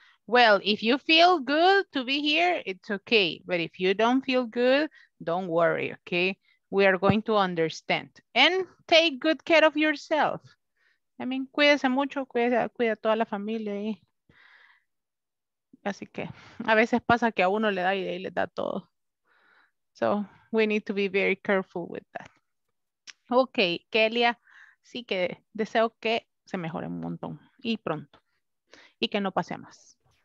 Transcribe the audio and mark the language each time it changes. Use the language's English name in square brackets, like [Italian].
[English] Well, if you feel good to be here, it's okay. But if you don't feel good, don't worry, okay? We are going to understand. And take good care of yourself. [Spanish] I mean, cuídese mucho, cuida toda la familia ahí. Así que a veces pasa que a uno le da y le da todo. [English] So we need to be very careful with that. [Spanish] Okay, Kelia, sí que deseo que se mejore un montón y pronto y que no pase más.